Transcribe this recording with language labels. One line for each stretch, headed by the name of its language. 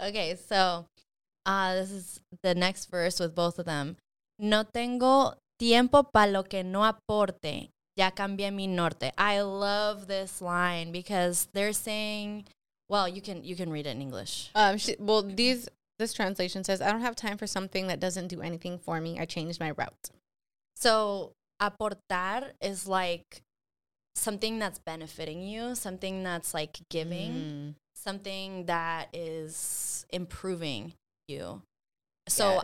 English: Okay, so this is the next verse with both of them.
Spanish: No tengo... Tiempo para lo que no aporte, ya cambié mi norte.
English: I love this line because they're saying, well, you can read it in English. She, well, these This translation says, I don't have time for something that doesn't do anything for me. I changed my route. So aportar is like something that's benefiting you, something that's like giving, something that is improving you. So yes.